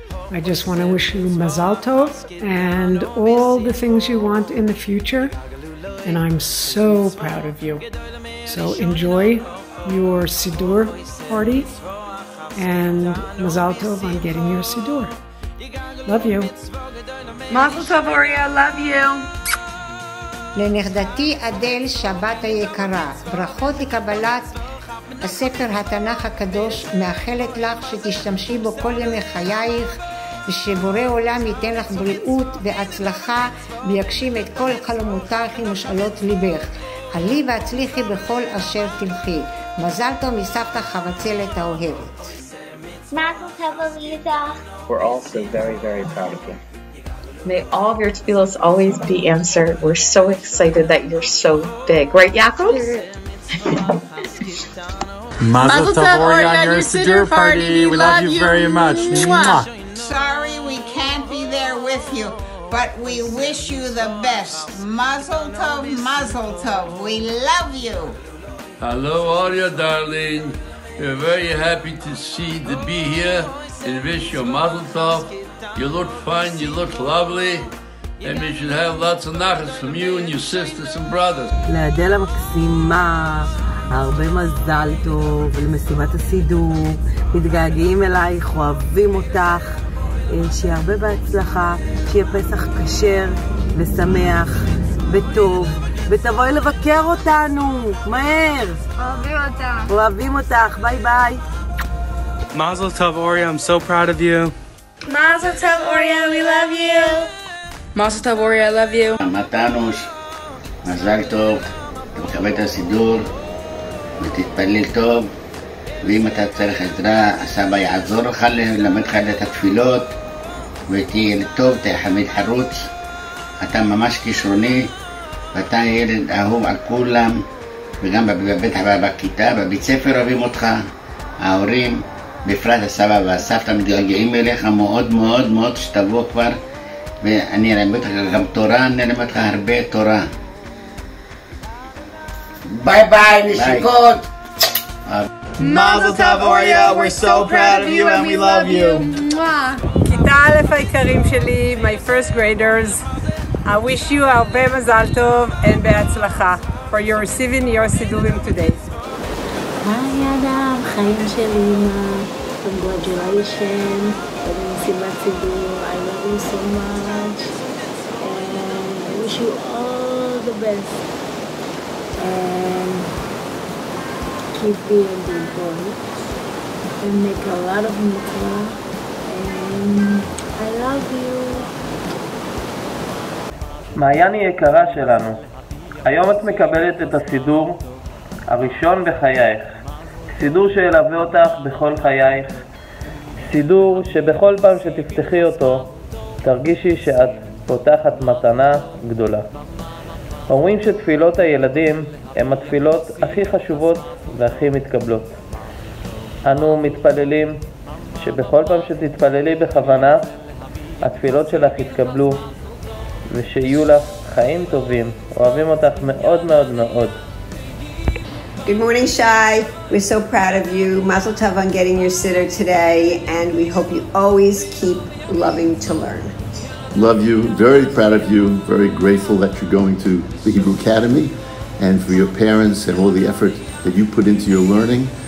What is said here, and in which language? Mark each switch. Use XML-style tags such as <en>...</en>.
<en>I just want to wish you Mazal Tov and all the things you want in the future. And I'm so proud of you. So enjoy your Sidur party and Mazal Tov on getting your Sidur. Love you. Mazal Tov, Oria. Love you.</en> <he>לנכדתי אדל שבת היקרה, ברכות לקבלת הספר התנך הקדוש, מאחלת לך שתשתמשי בו כל ימי חייך, ושבורא עולם ייתן לך בריאות והצלחה ויגשים את כל חלומותך עם משאלות ליבך. עלי והצליחי בכל אשר תלכי. מזל טוב מסבתא חבצלת האוהבת.</he> <en>We're also very very proud of you. May all of your tefillos always be answered. We're so excited that you're so big. Right, Yaakov? Mazel tov on your sidur party. We love you very much. Mwah. Sorry we can't be there with you, but we wish you the best. Mazel tov, mazel tov. We love you. Hello, Aria, darling. We're very happy to see to be here and wish you a mazel tov. You look fine, you look lovely, and we should have lots of nachas from you and your sisters and brothers.</en> <he>L'adel ha-maksima, הרבה מזל טוב למשימת הסידור. מתגעגעים אלייך, אוהבים אותך. שיהיה הרבה בהצלחה, שיהיה פסח כשר ושמח וטוב, ותבואי לבקר אותנו, מהר! אוהבים אותך. אוהבים אותך, ביי ביי.</he> <en>Mazel tov, Oria, I'm so proud of you. Mazel tov, Oria, we love you. Mazel tov, Oria, I love you.</en> <he>מתנוש, מזל טוב, אתה מקבל את הסידור, ותתפלל טוב, ואם אתה צריך עזרה, הסבא יעזור לך ללמד לך את התפילות, ותהיה טוב, תהיה חמיד חרוץ. אתה ממש כישרוני, ואתה ילד אהוב על כולם, וגם בבית הבא בכיתה, בבית ספר אוהבים אותך, ההורים, בפרט הסבא והסבתא מתגעגעים אליך מאוד מאוד מאוד, שתבוא כבר, ואני אלמד אותך גם תורה, אני אלמד אותך הרבה תורה. ביי ביי, נשיקות!</he> <en>Mazel tov, Oria, we're so proud of you and we love you.</en> <he>כיתה א' היקרים שלי,</he> <en>my first graders, I wish you</en> <he>הרבה מזל טוב</he> <en>and</en> <he>בהצלחה</he> <en>for your receiving your sidurim today.</en> <he>היי אדם, חיים של אימא,</he> <en>congratulations,</en> <he>במשימת סידור,</he> <en>I love you so much, and I wish you all the best. Keep being a good boy and make a lot of mitzvah, and I love you.</en> <he>מעיין היא יקרה שלנו, היום את מקבלת את הסידור הראשון בחייך, סידור שילווה אותך בכל חייך, סידור שבכל פעם שתפתחי אותו תרגישי שאת פותחת מתנה גדולה. אומרים שתפילות הילדים הן התפילות הכי חשובות והכי מתקבלות. אנו מתפללים שבכל פעם שתתפללי בכוונה התפילות שלך יתקבלו, ושיהיו לך חיים טובים. אוהבים אותך מאוד מאוד מאוד.</he> <en>Good morning, Shai. We're so proud of you. Mazel tov on getting your sitter today, and we hope you always keep loving to learn. Love you. Very proud of you. Very grateful that you're going to the Hebrew Academy, and for your parents and all the effort that you put into your learning.</en>